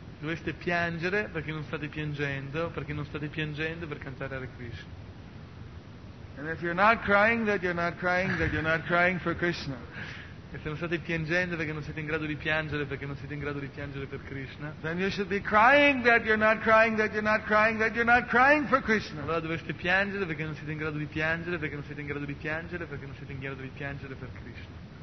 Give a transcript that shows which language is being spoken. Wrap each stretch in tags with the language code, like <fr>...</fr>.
<it>Dovreste piangere perché non state piangendo, perché non state piangendo per cantare Hare Krishna.</it> <en>And if you're not crying that you're not crying, that you're not crying for Krishna.</en> <it>E se non state piangendo perché non siete in grado di piangere, perché non siete in grado di piangere per Krishna.</it> <en>Then you should be crying that you're not crying, that you're not crying, that you're not crying for Krishna.</en> <it>Allora dovreste piangere perché non siete in grado di piangere, perché non siete in grado di piangere, perché non siete in grado di piangere per Krishna.</it>